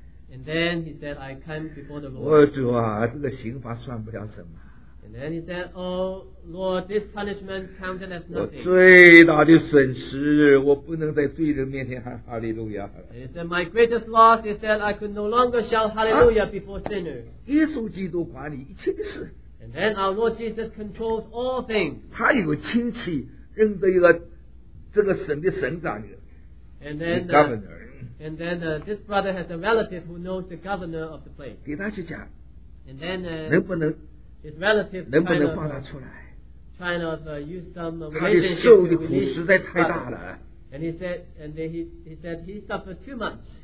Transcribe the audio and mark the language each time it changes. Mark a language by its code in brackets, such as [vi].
[en] And then he said, I come before the Lord. [zh] 我主啊, 这个刑罚算不了什么。 [en] And then he said, oh Lord, this punishment counted as nothing. [zh] 我最大的损失, 我不能在罪人面前喊 Hallelujah。 [en] And he said, my greatest loss is that I could no longer shout Hallelujah before sinners. [zh] 耶稣基督管理一切的事。 [en] And then our Lord Jesus controls all things. [zh] 他有亲戚认得一个这个省的省长, [en] and then the governor. And then this brother has a relative who knows the governor of the place. [zh] 给他去讲, [en] and then his relative tried to kind of use some relationship to his father. And he said, and then he said he suffered too much.